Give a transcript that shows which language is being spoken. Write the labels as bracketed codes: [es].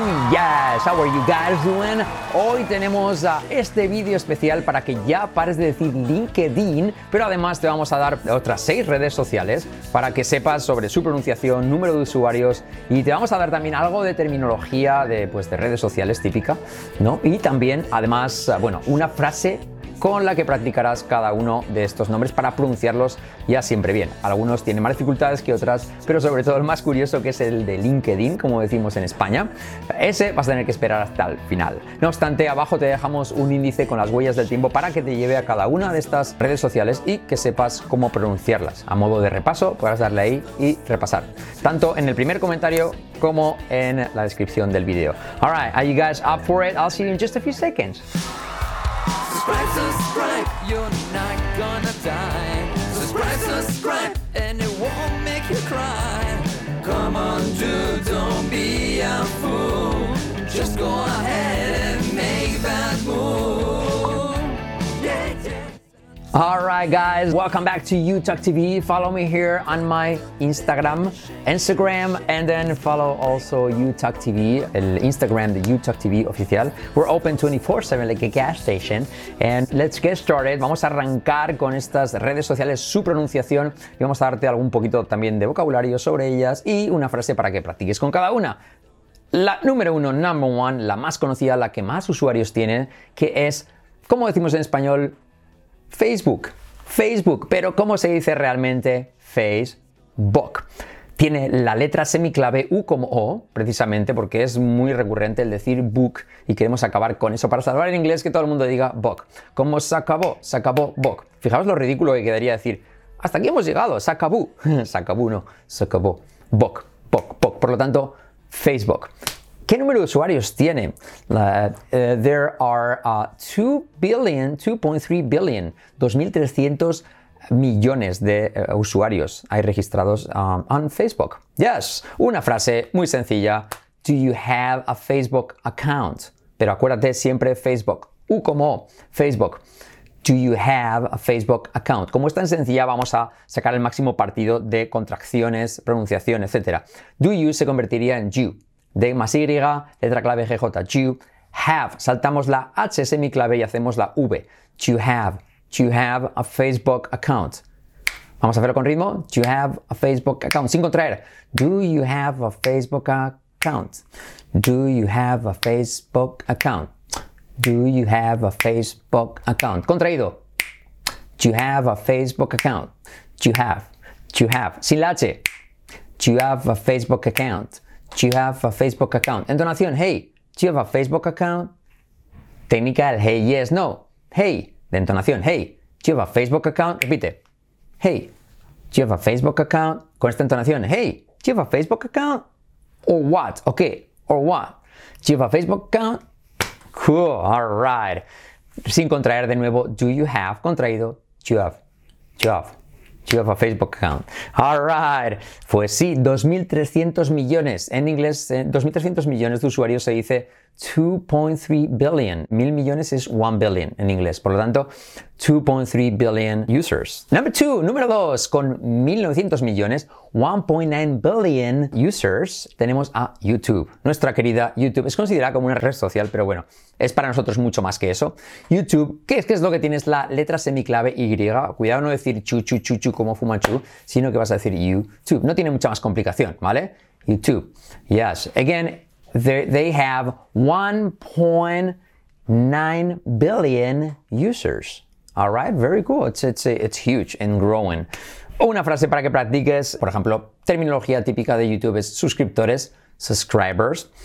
[en] Yes, how are you guys doing? [es] Hoy tenemos este vídeo especial para que ya pares de decir LinkedIn, pero además te vamos a dar otras 6 redes sociales para que sepas sobre su pronunciación, número de usuarios, y te vamos a dar también algo de terminología de redes sociales típica, ¿no? Y también, además, bueno, una frase con la que practicarás cada uno de estos nombres para pronunciarlos ya siempre bien. Algunos tienen más dificultades que otras, pero sobre todo el más curioso, que es el de LinkedIn, como decimos en España, ese vas a tener que esperar hasta el final. No obstante, abajo te dejamos un índice con las huellas del tiempo para que te lleve a cada una de estas redes sociales y que sepas cómo pronunciarlas. A modo de repaso, podrás darle ahí y repasar, tanto en el primer comentario como en la descripción del video. [en] All right, are you guys up for it? I'll see you in just a few seconds. Subscribe, you're not gonna die. Subscribe, and it won't make you cry. Come on, dude, don't be a fool. Just go ahead and make that move. Alright guys, welcome back to Utah TV. Follow me here on my Instagram, and then follow also Utah TV, [es] el Instagram de Utah TV oficial. [en] We're open 24/7 like a gas station. And let's get started. [es] Vamos a arrancar con estas redes sociales, su pronunciación, y vamos a darte algún poquito también de vocabulario sobre ellas y una frase para que practiques con cada una. La número uno, [en] number one, [es] la más conocida, la que más usuarios tiene, que es, como decimos en español, Facebook, pero ¿cómo se dice realmente Facebook? Tiene la letra semiclave U como O, precisamente porque es muy recurrente el decir book y queremos acabar con eso para salvar el inglés, que todo el mundo diga book. ¿Cómo se acabó? Se acabó book. Fijaos lo ridículo que quedaría decir, hasta aquí hemos llegado, se acabó. Se acabó, no, se acabó. Book. Por lo tanto, Facebook. ¿Qué número de usuarios tiene? [en] There are 2.3 billion, [es] 2.300 millones de usuarios hay registrados [en] on Facebook. Yes, [es] una frase muy sencilla. [en] Do you have a Facebook account? [es] Pero acuérdate siempre Facebook. U como O, Facebook. [en] Do you have a Facebook account? [es] Como es tan sencilla, vamos a sacar el máximo partido de contracciones, pronunciación, etc. [en] Do you [es] se convertiría en you. D más Y, letra clave GJ, [en] you have. [es] Saltamos la H semiclave y hacemos la V. [en] You have a Facebook account. [es] Vamos a hacerlo con ritmo. [en] You have a Facebook account. [es] Sin contraer. [en] Do you have a Facebook account? Do you have a Facebook account? Do you have a Facebook account? [es] Contraído. [en] You have a Facebook account. You have. [es] Sin la H. [en] You have a Facebook account. Do you have a Facebook account? [es] Entonación, [en] hey, do you have a Facebook account? [es] Técnica del [en] hey, yes, no. Hey, [es] de entonación, [en] hey, do you have a Facebook account? [es] Repite. [en] Hey, do you have a Facebook account? [es] Con esta entonación, [en] hey, do you have a Facebook account? Or what? Okay, or what? Do you have a Facebook account? Cool, all right. [es] Sin contraer de nuevo, [en] do you have, [es] contraído, [en] do you have. You have a Facebook account. All right. [es] Pues sí, 2.300 millones. En inglés, 2.300 millones de usuarios se dice [en] 2.3 billion. [es] 1.000 millones es [en] 1 billion [es] en inglés. Por lo tanto, [en] 2.3 billion users. Number two, [es] número dos. Con 1.900 millones, [en] 1.9 billion users, [es] tenemos a YouTube. Nuestra querida YouTube. Es considerada como una red social, pero bueno, es para nosotros mucho más que eso. YouTube, ¿qué es lo que tienes? La letra semiclave Y. Cuidado no decir chu como fumachu, sino que vas a decir YouTube. No tiene mucha más complicación, ¿vale? [en] YouTube. Yes. Again, they have 1.9 billion users. All right, very cool. It's huge and growing. [es] Una frase para que practiques, por ejemplo, terminología típica de YouTube es suscriptores, [en] subscribers.